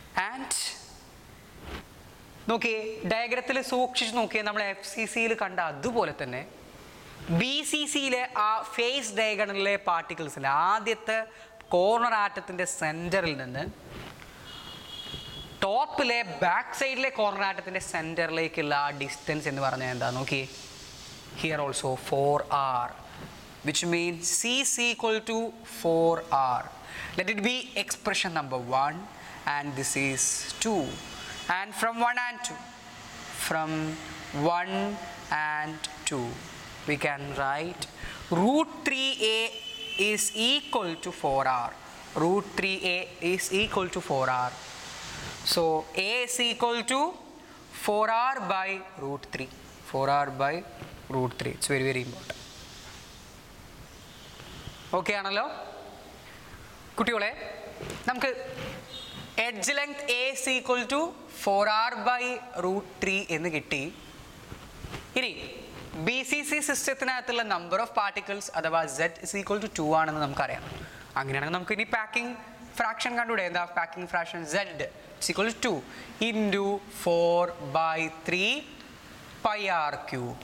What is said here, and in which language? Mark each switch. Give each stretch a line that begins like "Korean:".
Malayalam: And നോക്കി ഡയഗ്രത്തിൽ സൂക്ഷിച്ച് നോക്കിയാൽ നമ്മൾ എഫ് സി സിയിൽ കണ്ട അതുപോലെ തന്നെ ബി സി സിയിലെ ആ ഫേസ് ഡയഗണലിലെ പാർട്ടിക്കിൾസിൽ ആദ്യത്തെ കോർണർ ആറ്റത്തിൻ്റെ സെൻറ്ററിൽ നിന്ന് ടോപ്പിലെ ബാക്ക് സൈഡിലെ കോർണർ ആറ്റത്തിൻ്റെ സെൻറ്ററിലേക്കുള്ള ആ ഡിസ്റ്റൻസ് എന്ന് പറഞ്ഞാൽ എന്താ?
English: നോക്കി here also four r, which means c c equal to four r. Let it be expression number one and this is two. And from 1 and 2, from 1 and 2, we can write root 3a is equal to 4r. Root 3a is equal to 4r. So, a is equal to 4r by root 3. 4r by root 3. It's very, very important. Okay,
Malayalam: Analo? Kutiyole, namukku
English: edge length a is equal to 4R by root 3
Malayalam: എന്ന് കിട്ടി. ഇനി B C C സിസ്റ്റത്തിനകത്തുള്ള number of particles അഥവാ
English: set is equal to 2
Malayalam: ആണെന്ന് നമുക്കറിയാം. അങ്ങനെയാണെങ്കിൽ നമുക്ക് ഇനി packing fraction കണ്ടുകൂടെ. എന്താ packing fraction?
English: Z is equal to 2 into 4 by 3 pi r cube.